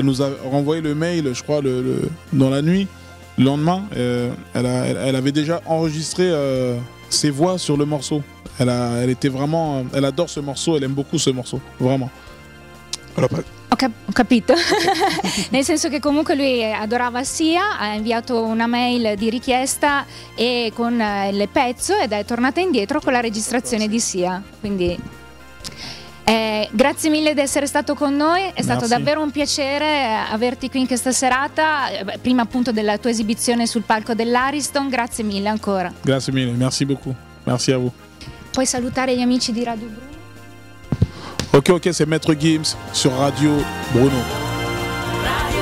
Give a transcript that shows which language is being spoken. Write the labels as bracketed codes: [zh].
[fr] Elle nous a renvoyé le mail, je crois, dans la nuit, le lendemain. Elle avait déjà enregistré ses voix sur le morceau. Elle adore ce morceau, elle aime beaucoup ce morceau, vraiment. [it] Ho capito, nel senso che comunque lui adorava Sia, ha inviato una mail di richiesta e con il pezzo ed è tornata indietro con la registrazione di Sia, quindi grazie mille di essere stato con noi, è stato davvero un piacere averti qui in questa serata, prima appunto della tua esibizione sul palco dell'Ariston, grazie mille ancora. Grazie mille, [fr] merci beaucoup, merci a voi. [it] Puoi salutare gli amici di Radio Bruno? [fr] Ok, c'est Maître Gims sur Radio Bruno.